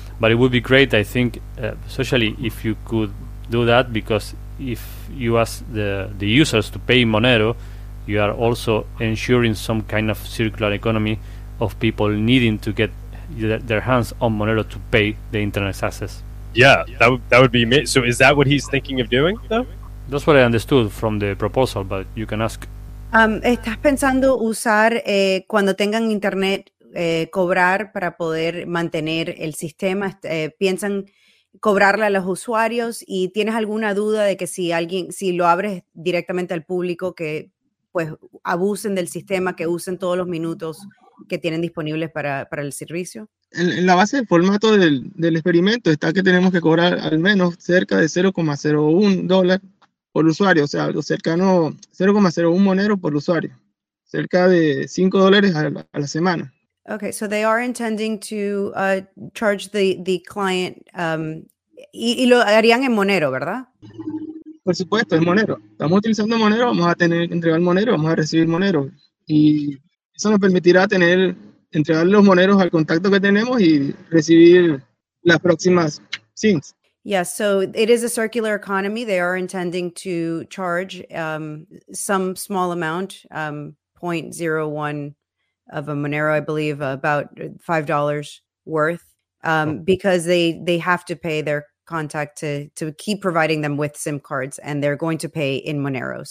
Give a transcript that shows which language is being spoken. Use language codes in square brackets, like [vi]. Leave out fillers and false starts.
[en] But it would be great, I think, socially, if you could do that, because if you ask the users to pay Monero, you are also ensuring some kind of circular economy of people needing to get their hands on Monero to pay the internet access. Yeah, that would be me. So is that what he's thinking of doing, though? That's what I understood from the proposal, but you can ask. [es] ¿Estás pensando usar cuando tengan internet cobrar para poder mantener el sistema? ¿Piensan cobrarle a los usuarios? ¿Y tienes alguna duda de que si lo abres directamente al público, que pues abusen del sistema, que usen todos los minutos que tienen disponibles para el servicio? En la base del formato del experimento está que tenemos que cobrar al menos cerca de $0.01 por usuario, o sea, algo cercano, 0.01 monero por usuario, cerca de $5 a la semana. [en] Okay, so they are intending to charge the client, [es] y lo harían en Monero, ¿verdad? Por supuesto, en Monero. Estamos utilizando Monero, vamos a tener que entregar Monero, vamos a recibir Monero. Y eso nos permitirá entregar los Moneros al contacto que tenemos y recibir las próximas SINs. [en] Yeah, so it is a circular economy. They are intending to charge some small amount, 0.01 of a Monero, I believe, about $5 worth, because they have to pay their contact to keep providing them with SIM cards, and they're going to pay in Monero.